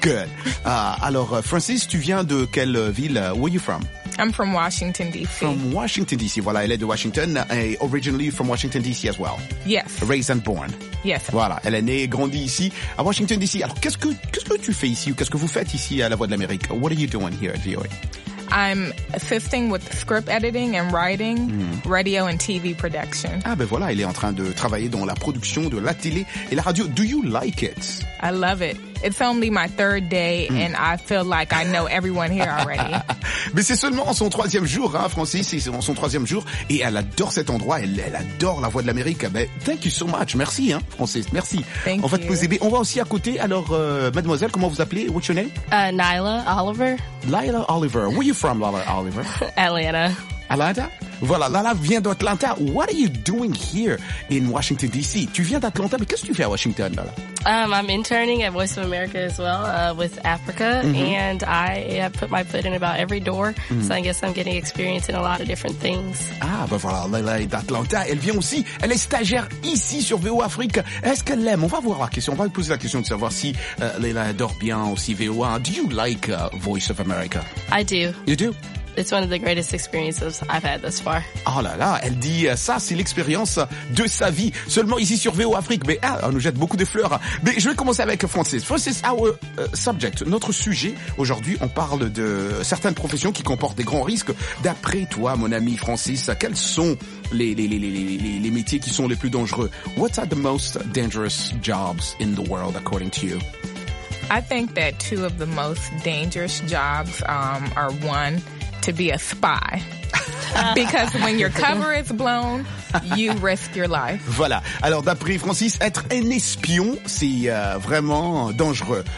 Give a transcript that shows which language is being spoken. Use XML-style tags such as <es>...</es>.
<fr>Good. Alors, Frances, tu viens de quelle ville? Where are you from?</fr> <en>I'm from Washington, D.C. From Washington, D.C. Voilà, elle est de Washington. Originally from Washington, D.C. as well. Yes. Raised and born. Yes.</en> <fr>Voilà, elle est née et grandie ici à Washington, D.C. Alors, qu'est-ce que tu fais ici ou qu'est-ce que vous faites ici à La Voix de l'Amérique?</fr> <en>What are you doing here at VOA? I'm assisting with script editing and writing, radio and TV production.</en> <fr>Ah ben voilà, elle est en train de travailler dans la production de la télé et la radio.</fr> <en>Do you like it? I love it. It's only my third day and I feel like I know everyone here already.</en> <fr>Mais c'est seulement son troisième jour, hein, Frances, c'est son troisième jour et elle adore cet endroit, elle adore la Voix de l'Amérique.</fr> <en>Ben, thank you so much, merci, hein, Frances, merci. Thank</en> <fr>you. On va te poser, on va aussi à côté, alors, mademoiselle, comment vous appelez, what's your name?</fr> <en>Nyla Oliver. Nyla Oliver, where are you from, Nyla Oliver? Atlanta.</en> <fr>Atlanta? Voilà, Lala vient d'Atlanta.</fr> <en>What are you doing here in Washington, D.C.?</en> <fr>Tu viens d'Atlanta, mais qu'est-ce que tu fais à Washington, Lala?</fr> <en>I'm interning at Voice of America as well, with Africa. Mm-hmm. And I put my foot in about every door. Mm-hmm. So I guess I'm getting experience in a lot of different things.</en> <fr>Ah, ben voilà, Lala est d'Atlanta. Elle vient aussi. Elle est stagiaire ici sur VO Afrique. Est-ce qu'elle l'aime? On va voir la question. On va lui poser la question de savoir si Lala adore bien aussi VO.</fr> <en>Do you like Voice of America? I do. You do? It's one of the greatest experiences I've had thus far.</en> <fr>Oh là là, elle dit ça, c'est l'expérience de sa vie. Seulement ici sur VO Afrique, mais on nous jette beaucoup de fleurs. Mais je vais commencer avec Frances. Frances, our subject, notre sujet aujourd'hui, on parle de certaines professions qui comportent des grands risques. D'après toi, mon ami Frances, quels sont les métiers qui sont les plus dangereux? What are the most dangerous jobs in the world according to you?</fr> <en>I think that two of the most dangerous jobs are, one, to be a spy. Because when your cover is blown, you risk your life.</en> <fr>Voilà. Alors, d'après Francis, être un espion, c'est vraiment dangereux.</fr>